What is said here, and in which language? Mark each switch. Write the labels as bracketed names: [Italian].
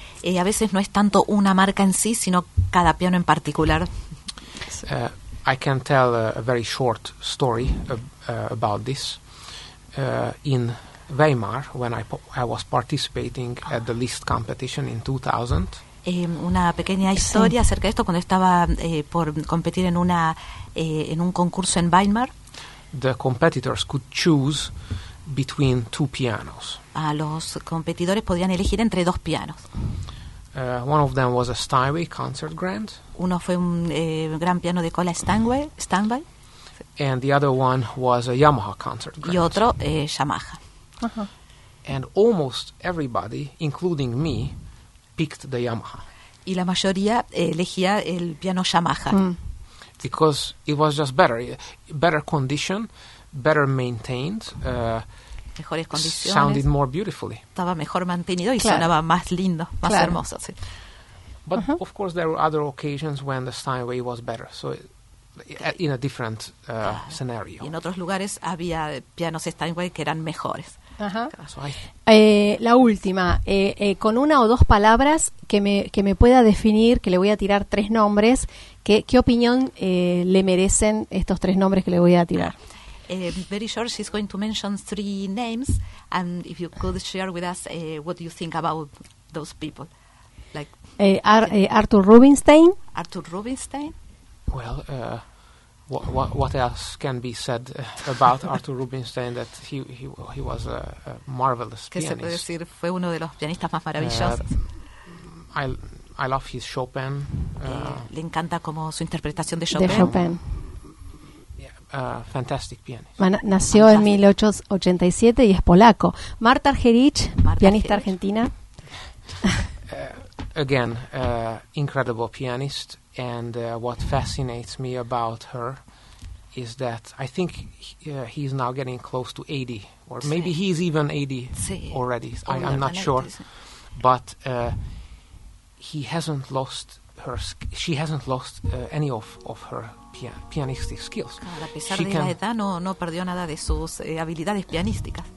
[Spanish] A veces no es tanto una marca en sí, sino cada piano en particular. [English] I can tell a very short story about this. In Weimar, when I was participating at the Liszt competition in 2000. [Spanish] Una pequeña historia acerca de esto cuando estaba por competir en una en un concurso en Weimar. [English] The competitors could choose between two pianos. [Spanish] Los competidores podían elegir entre dos pianos. [English] One of them was a Steinway concert grand. [Spanish] Uno fue un gran piano de cola Steinway. Steinway. [English] And the other one was a Yamaha concert grand. [Spanish] Y otro Yamaha. [English] And almost everybody, including me, picked the Yamaha. [Spanish] Y la mayoría elegía el piano Yamaha. [English] Because it was just better condition, better maintained, [Spanish] mejores condiciones, [English] sounded more beautifully. [Spanish] Estaba mejor mantenido y claro. Sonaba más lindo, más claro. Hermoso. Sí. [English] But of course there were other occasions when the Steinway was better, so in a different scenario. [Spanish] Y en otros lugares había pianos Steinway que eran mejores. Ajá. La última, con una o dos palabras que me pueda definir, que le voy a tirar tres nombres, ¿qué opinión le merecen estos tres nombres que le voy a tirar? [English] Very short, she's going to mention three names, and if you could share with us what you think about those people. Like Arthur Rubinstein. Arthur Rubinstein. Well, what else can be said about Arthur Rubinstein, that he was a marvelous pianist. [Spanish] ¿Qué se puede decir? Fue uno de los pianistas más maravillosos. [English] I love his Chopin. [Spanish] Le encanta como su interpretación de Chopin. De Chopin. [English] Fantastic pianist. [Spanish] Nació en 1887 y es polaco. Marta Argerich, pianista argentina. [English] Again, incredible pianist. And what fascinates me about her is that I think he is now getting close to 80, or sí. Maybe he's even 80 sí. Already. I'm not sure, but he hasn't lost her. She hasn't lost any of her pianistic skills. [Spanish] Claro, a pesar de la edad, no perdió nada de sus habilidades pianísticas.